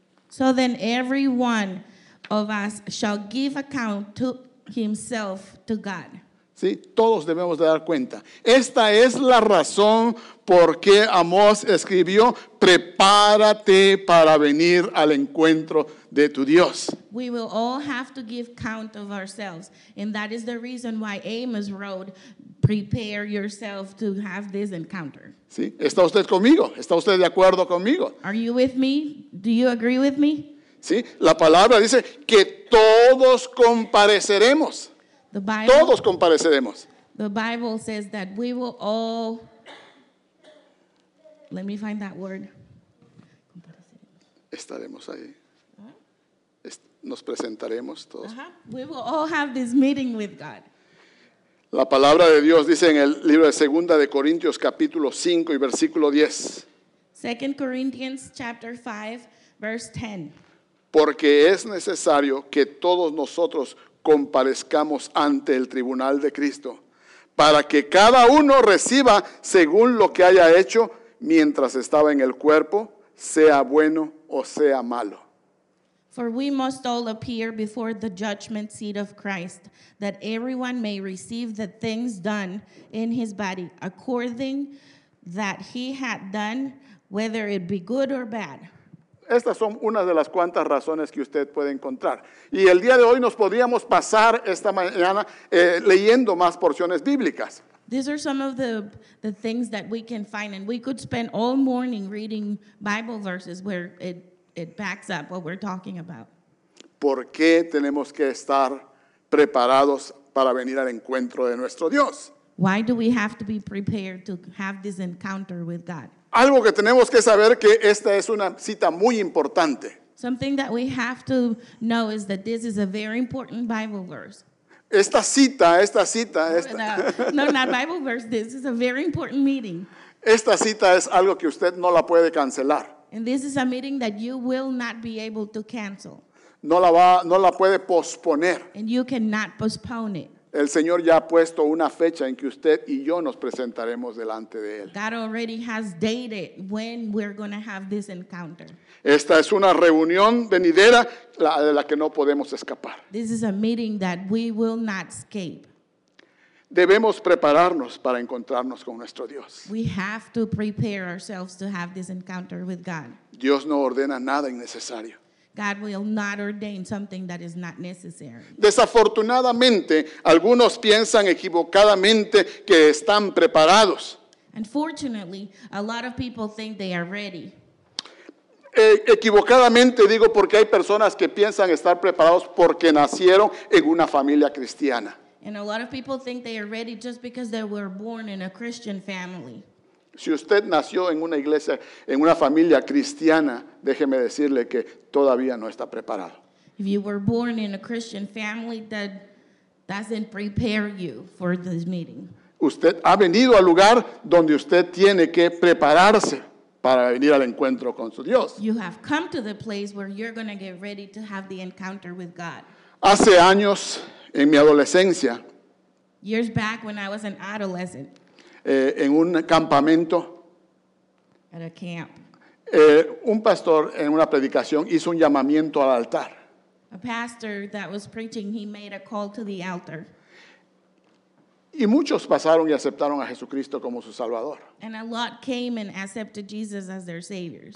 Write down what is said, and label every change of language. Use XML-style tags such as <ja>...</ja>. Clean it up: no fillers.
<en>So then every one of us shall give account to himself to God.</en> <es>Sí, todos debemos de dar cuenta. Esta es la razón por qué Amós escribió, prepárate para venir al encuentro de tu Dios.</es> <en>We will all have to give count of ourselves. And that is the reason why Amos wrote, prepare yourself to have this encounter.</en> <es>Sí, ¿está usted conmigo? ¿Está usted de acuerdo conmigo?</es> <en>Are you with me? Do you agree with me?</en> <es>Sí, la palabra dice que todos compareceremos. Todos compareceremos.</es> <en>The Bible says that we will all, let me find that word.</en> <es>Estaremos ahí. Nos presentaremos todos. Uh-huh.</es> <en>We will all have this meeting with God.</en> <es>La palabra de Dios dice en el libro de 2 de Corintios capítulo 5 y versículo 10.</es> <en>2 Corinthians chapter 5 verse 10.</en> <es>Porque es necesario que todos nosotros comparezcamos ante el tribunal de Cristo para que cada uno reciba según lo que haya hecho mientras estaba en el cuerpo, sea bueno o sea malo.</es> <en>For we must all appear before the judgment seat of Christ, that everyone may receive the things done in his body according that he had done, whether it be good or bad.</en> <es>Estas son una de las cuantas razones que usted puede encontrar. Y el día de hoy nos podríamos pasar esta mañana leyendo más porciones bíblicas.</es> <en>These are some of the things that we can find, and we could spend all morning reading Bible verses where it backs up what we're talking about.</en> <es>¿Por qué tenemos que estar preparados para venir al encuentro de nuestro Dios?</es> <en>Why do we have to be prepared to have this encounter with God?</en> <es>Algo que tenemos que saber que esta es una cita muy importante.</es> <en>Something that we have to know is that this is a very important Bible verse.</en> <es>Esta cita.</es> <en>No, not Bible verse. This is a very important meeting.</en> <es>Esta cita es algo que usted no la puede cancelar.</es> <en>And this is a meeting that you will not be able to cancel.</en> <es>No la puede posponer.</es> <en>And you cannot postpone it.</en> <es>El Señor ya ha puesto una fecha en que usted y yo nos presentaremos delante de Él.</es> <en>God already has dated when we're going to have this encounter.</en> <es>Esta es una reunión venidera de la que no podemos escapar.</es> <en>This is a meeting that we will not escape.</en> <es>Debemos prepararnos para encontrarnos con nuestro Dios.</es> <en>We have to prepare ourselves to have this encounter with God.</en> <es>Dios no ordena nada innecesario.</es> <en>God will not ordain something that is not necessary.</en> <es>Desafortunadamente, algunos piensan equivocadamente que están preparados.</es> <en>Unfortunately, a lot of people think they are ready.</en> <es>Equivocadamente digo porque hay personas que piensan estar preparados porque nacieron en una familia cristiana.</es> <en>And a lot of people think they are ready just because they were born in a Christian family.</en> <es>Si usted nació en una iglesia, en una familia cristiana, déjeme decirle que todavía no está preparado.</es> <en>If you were born in a Christian family, that doesn't prepare you for this meeting.</en> <es>Usted ha venido al lugar donde usted tiene que prepararse para venir al encuentro con su Dios.</es> <en>You have come to the place where you're going to get ready to have the encounter with God.</en> <es>Hace años, en mi adolescencia,</es> <en>years back when I was an adolescent,</en> <es>En un campamento,</es> <en>at a camp,</en> <es>un pastor en una predicación hizo un llamamiento al altar.</es> <en>A pastor that was preaching, he made a call to the altar.</en> <es>Y muchos pasaron y aceptaron a Jesucristo como su Salvador.</es> <en>And a lot came and accepted Jesus as their saviors.</en>